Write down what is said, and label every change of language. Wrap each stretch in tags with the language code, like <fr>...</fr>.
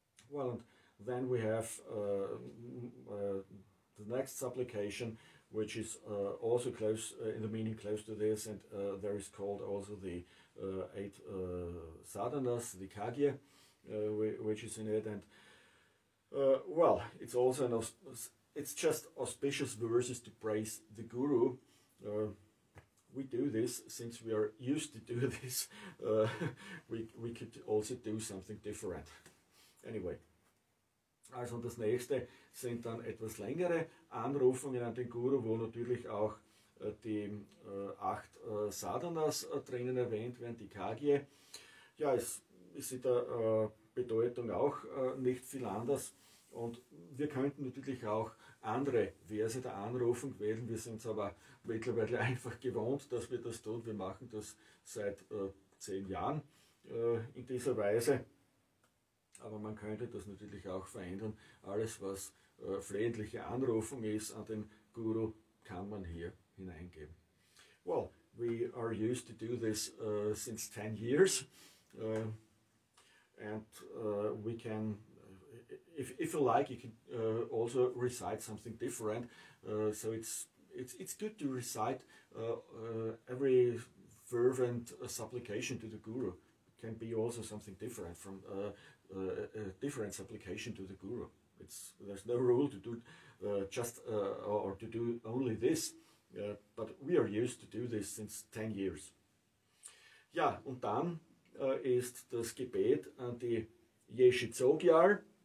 <en>Well, and then we have the next supplication, which is also close in the meaning, close to this, and there is called also the eight sadhanas, the kagye, which is in it, and well, it's also an it's just auspicious verses to praise the Guru. We do this since we are used to do this. We could also do something different.</en> <de>Anyway, also das nächste sind dann etwas längere Anrufungen an den Guru, wo natürlich auch die acht Sadhanas drinnen erwähnt werden, die Kagye. Ja, es ist in der Bedeutung auch nicht viel anders. Und wir könnten natürlich auch andere Verse der Anrufung wählen. Wir sind es aber mittlerweile einfach gewohnt, dass wir das tun. Wir machen das seit 10 Jahren in dieser Weise. Aber man könnte das natürlich auch verändern. Alles, was flehentliche Anrufung ist an den Guru, kann man hier hineingeben.</de> <en>Well, we are used to do this since 10 years. And we can, if you like, you can also recite something different. So it's good to recite every fervent supplication to the Guru. It can be also something different from a different supplication to the Guru. There's no rule to do just or to do only this. But we are used to do this since 10 years.</en> <de>Ja, und dann ist das Gebet an die Yeshe Zogyar.</de>